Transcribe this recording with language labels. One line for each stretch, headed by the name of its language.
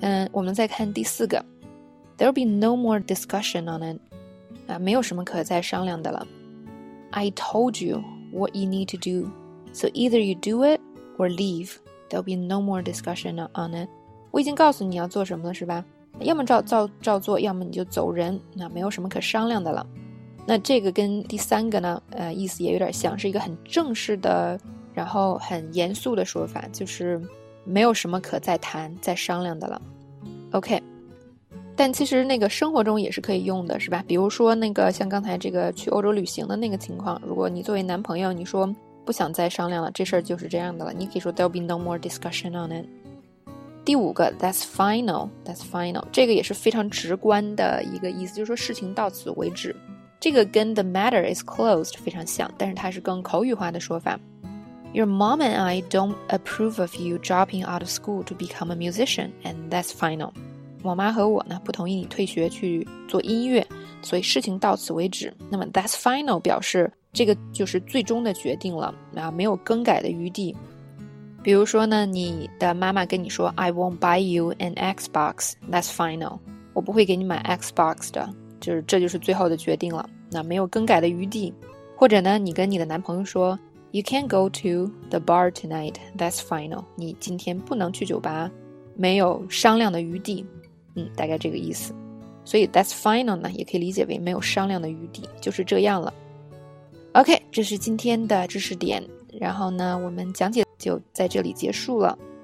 Chinese: 我们再看第四个，
English: There'll be no more discussion on it.
Chinese: 没有什么可再商量的了。
English: I told you what you need to do, so either you do it or leave. There'll be no more discussion on it.
Chinese: 我已经告诉你要做什么了，是吧？要么照做，要么你就走人。那没有什么可商量的了。那这个跟第三个呢，意思也有点像，是一个很正式的，然后很严肃的说法，就是没有什么可再谈、再商量的了。 OK。但其实那个生活中也是可以用的是吧，比如说那个像刚才这个去欧洲旅行的那个情况，如果你作为男朋友你说不想再商量了，这事儿就是这样的了，你可以说
English: There'll be no more discussion on it。
Chinese: 第五个
English: That's final
Chinese: 这个也是非常直观的一个意思，就是说事情到此为止，这个跟
English: The matter is closed
Chinese: 非常像，但是它是更口语化的说法。
English: Your mom and I don't approve of you dropping out of school to become a musician and that's final。
Chinese: 我妈和我呢不同意你退学去做音乐，所以事情到此为止。那么
English: that's final
Chinese: 表示这个就是最终的决定了，没有更改的余地。比如说呢，你的妈妈跟你说
English: I won't buy you an Xbox, that's final,
Chinese: 我不会给你买 Xbox 的，就是这就是最后的决定了，那没有更改的余地。或者呢，你跟你的男朋友说
English: You can't go to the bar tonight. That's final.
Chinese: 你今天不能去酒吧，没有商量的余地。嗯，大概这个意思。所以
English: that's final
Chinese: 呢，也可以理解为没有商量的余地，就是这样了。 OK， 这是今天的知识点。然后呢，我们讲解就在这里结束了。